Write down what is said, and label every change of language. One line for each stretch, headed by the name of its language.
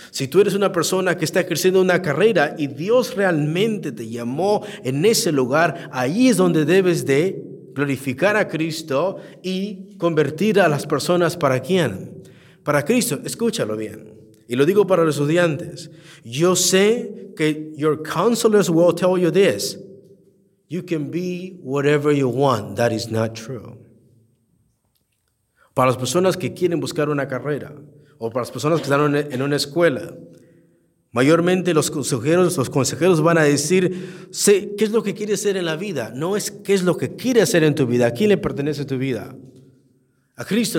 Spanish: Si tú eres una persona que está ejerciendo una carrera y Dios realmente te llamó en ese lugar, ahí es donde debes de glorificar a Cristo y convertir a las personas ¿para quién? Para Cristo. Escúchalo bien. Y lo digo para los estudiantes. Yo sé que
English: your counselors will tell you this. You can be whatever you want. That is not true.
Spanish: Para las personas que quieren buscar una carrera o para las personas que están en una escuela, mayormente los consejeros van a decir, sé qué es lo que quieres hacer en la vida. No es qué es lo que quieres hacer en tu vida. ¿A quién le pertenece tu vida? A Cristo.